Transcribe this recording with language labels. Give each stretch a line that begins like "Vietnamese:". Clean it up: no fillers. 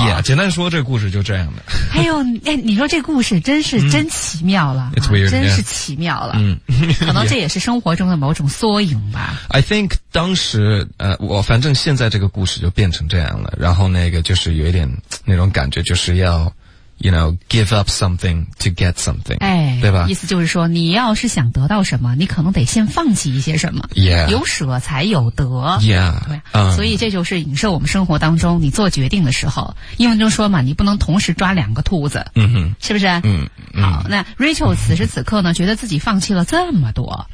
Chinese: Yeah, 简单说，这个故事就这样的。哎呦，哎，你说这故事真是真奇妙了，
English: It's weird,
Chinese: 真是奇妙了。可能这也是生活中的某种缩影吧。 I think 当时我反正现在这个故事就变成这样了，然后那个就是有一点那种感觉，就是要。
English: You know, give up something to get something.
Chinese: 哎，对吧？意思就是说，你要是想得到什么，你可能得先放弃一些什么。
English: Yeah.
Chinese: 有舍才有得。
English: Yeah.
Chinese: 对。所以这就是影射我们生活当中你做决定的时候。英文中说嘛，你不能同时抓两个兔子。嗯哼。是不是？嗯。好，那 Rachel 此时此刻呢，觉得自己放弃了这么多。